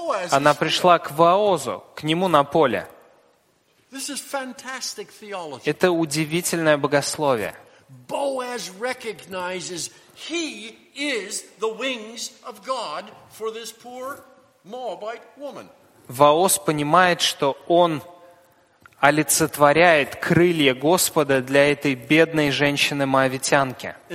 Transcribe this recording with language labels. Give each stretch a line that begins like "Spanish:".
Russian: Она пришла к Воозу, к нему на поле. Это удивительное богословие.
English: Боаз recognizes he is the wings of God for this poor Moabite woman.
Russian: Вооз понимает, что он олицетворяет крылья Господа для этой бедной женщины-моавитянки.